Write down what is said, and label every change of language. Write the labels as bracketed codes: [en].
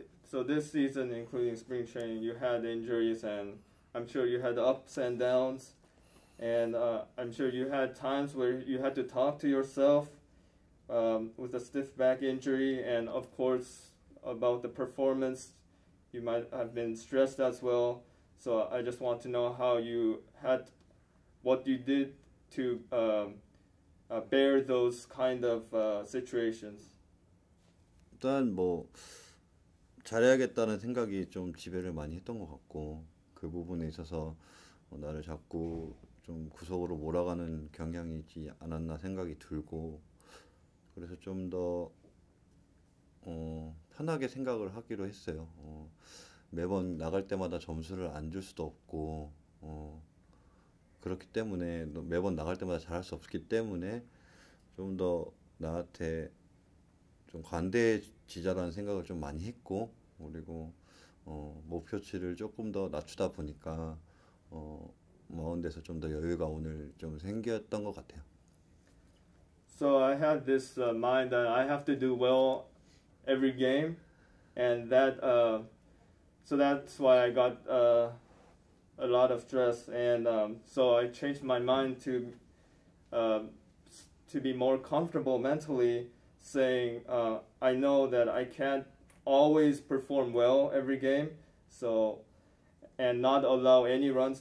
[en] So this season, including spring training, you had injuries, and I'm sure you had ups and downs, and I'm sure you had times where you had to talk to yourself with a stiff back injury, and of course about the performance, you might have been stressed as well. So I just want to know how you had, what you did to bear those kind of situations. [ko] 일단 뭐 잘해야겠다는 생각이 좀 지배를 많이 했던 것 같고, 그 부분에 있어서 나를 자꾸 좀 구석으로 몰아가는 경향이지 않았나 생각이 들고, 그래서 좀더 편하게 생각을 하기로 했어요. 매번 나갈 때마다 점수를 안줄 수도 없고, 그렇기 때문에 매번 나갈 때마다 잘할 수 없기 때문에 좀더 나한테 좀 관대해지자라는 생각을 좀 많이 했고, 그리고 목표치를 조금 더 낮추다 보니까 마운드에서 좀더 여유가 오늘 좀 생겼던 것 같아요. [en] So I had this mind that I have to do well every game, and that so that's why I got a lot of stress, and so I changed my mind to be more comfortable mentally, saying I know that I can't always perform well every game, so and not allow any runs.